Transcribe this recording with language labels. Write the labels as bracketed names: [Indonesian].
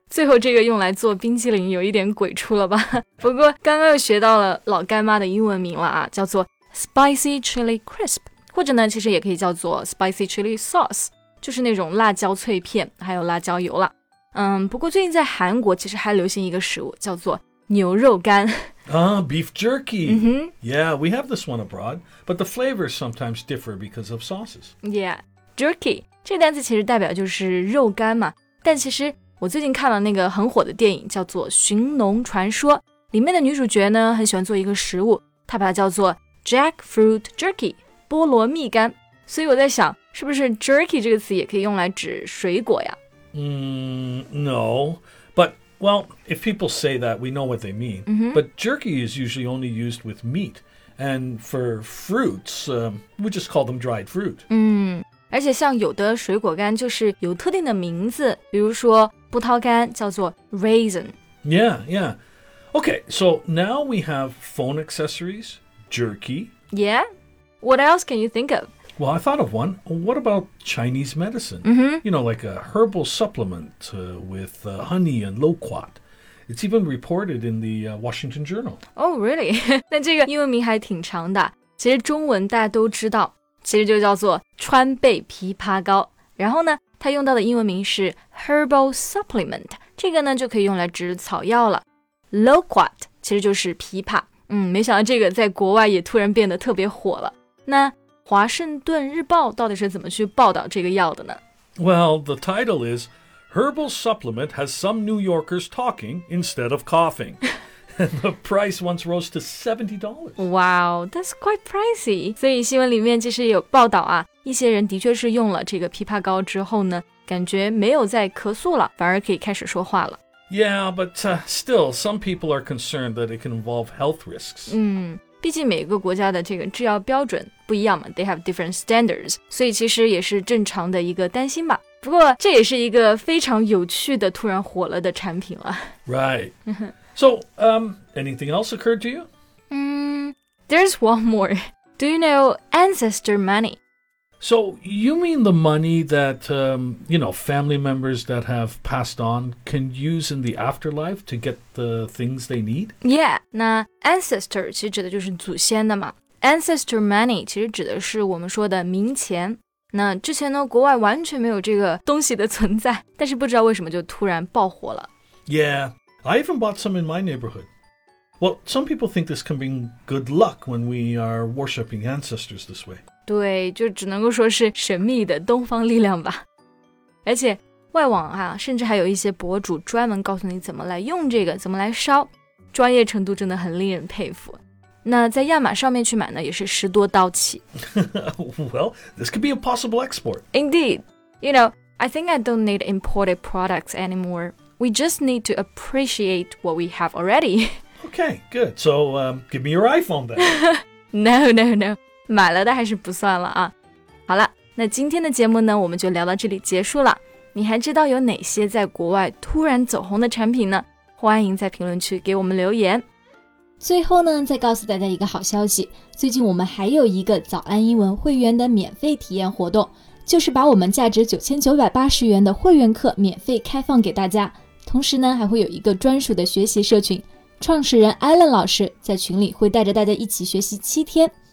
[Chinese] 最后这个用来做冰激凌有一点鬼畜了吧。不过刚刚又学到了老干妈的英文名了啊，叫做 [English] spicy chili crisp, [Chinese] 或者呢其实也可以叫做 [English] spicy chili sauce, [Chinese] 就是那种辣椒脆片还有辣椒油了。不过最近在韩国其实还流行一个食物叫做牛肉干。 [English] Beef jerky.、 Mm-hmm. Yeah, we have this one abroad, but the flavors sometimes differ because of sauces. Yeah, jerky. 这个单词其实代表就是肉干嘛。但其实我最近看了那个很火的电影叫做《寻龙传说》，里面的女主角呢很喜欢做一个食物，她把它叫做 jackfruit jerky, 菠萝蜜干。所以我在想，是不是 jerky 这个词也可以用来指水果呀？ No, but... Well, if people say that, we know what they mean. Mm-hmm. But jerky is usually only used with meat. And for fruits, we just call them dried fruit. 而且像有的水果干就是有特定的名字，比如说葡萄干叫做 raisin. Yeah, yeah. Okay, so now we have phone accessories, jerky. Yeah? What else can you think of? Well, I thought of one. What about Chinese medicine? Mm-hmm. You know, like a herbal supplement with honey and loquat. It's even reported in the Washington Journal. Oh, really? [Chinese] 那这个英文名还挺长的。其实中文大家都知道，其实就叫做川贝枇杷膏。然后呢，它用到的英文名是 herbal supplement. 这个呢，就可以用来指草药了。Loquat 其实就是枇杷。没想到这个在国外也突然变得特别火了。那华盛顿日报到底是怎么去报道这个药的呢? [English] Well, the title is Herbal Supplement Has Some New Yorkers Talking Instead of Coughing. And the price once rose to $70. Wow, that's quite pricey. [Chinese] 所以新闻里面其实有报道啊，一些人的确是用了这个枇杷膏之后呢，感觉没有再咳嗽了，反而可以开始说话了。 [English] Yeah, but still, some people are concerned that it can involve health risks. [Chinese] 毕竟每个国家的这个制药标准不一样嘛 ， [English] they have different standards， [Chinese] 所以其实也是正常的一个担心吧。不过这也是一个非常有趣的突然火了的产品了。 [English] Right. So, anything else occurred to you? There's one more. Do you know ancestor money? So you mean the money that you know family members that have passed on can use in the afterlife to get the things they need? Yeah. [Chinese] 那 ancestor 其实指的就是祖先的嘛。Ancestor money 其实指的是我们说的冥钱。那之前呢，国外完全没有这个东西的存在，但是不知道为什么就突然爆火了。 [English] Yeah, I even bought some in my neighborhood. Well, some people think this can bring good luck when we are worshiping ancestors this way. [Chinese] 对，就只能够说是神秘的东方力量吧。而且外网啊，甚至还有一些博主专门告诉你怎么来用这个，怎么来烧，专业程度真的很令人佩服。那在亚马上面去买呢，也是十多刀起。 [English] Well, this could be a possible export. Indeed. You know, I think I don't need imported products anymore. We just need to appreciate what we have already. Okay, good. So, give me your iPhone then. No. [Chinese] 买了的还是不算了啊。好了，那今天的节目呢，我们就聊到这里结束了。你还知道有哪些在国外突然走红的产品呢？欢迎在评论区给我们留言。最后呢，再告诉大家一个好消息，最近我们还有一个早安英文会员的免费体验活动，就是把我们价值9980元的会员课免费开放给大家，同时呢还会有一个专属的学习社群，创始人 Alan 老师在群里会带着大家一起学习7天。